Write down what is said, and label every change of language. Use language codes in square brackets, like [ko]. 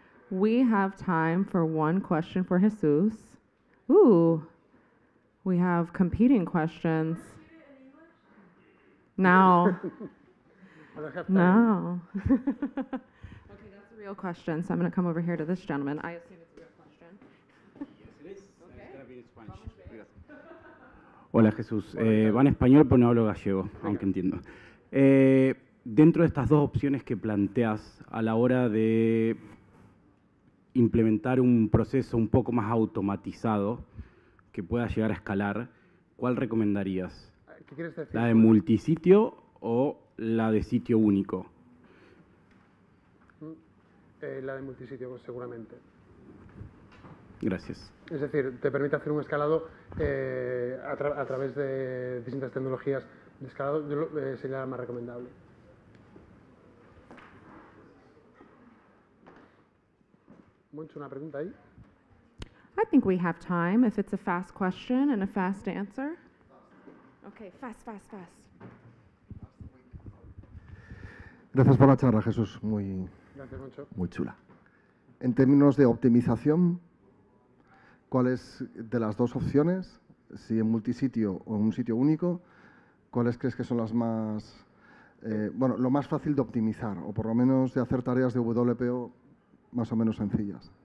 [en] We have time for one question for Jesús. Ooh, we have competing questions. No. Okay, that's a real question, so I'm going to come over here to this gentleman. I assume it's a real question. Yes, it is. Okay. It's going to be in Spanish. [es] Hola, Jesús. Va en español, pero no hablo gallego, aunque entiendo. Dentro de estas dos opciones que planteas a la hora de implementar un proceso un poco más automatizado que pueda llegar a escalar, ¿cuál recomendarías? ¿Qué quieres decir? ¿La de multisitio o la de sitio único? La de multisitio, seguramente. Gracias. Es decir, te permite hacer un escalado a través de distintas tecnologías de escalado, sería la más recomendable. Moncho, una pregunta ahí. [en] I think we have time if it's a fast question and a fast answer. Okay, fast. [es] Gracias por la charla, Jesús. Muy, gracias, Moncho. Muy chula. En términos de optimización, ¿cuál es de las dos opciones, si en multisitio o en un sitio único, cuáles crees que son las más, lo más fácil de optimizar o por lo menos de hacer tareas de WPO más o menos sencillas?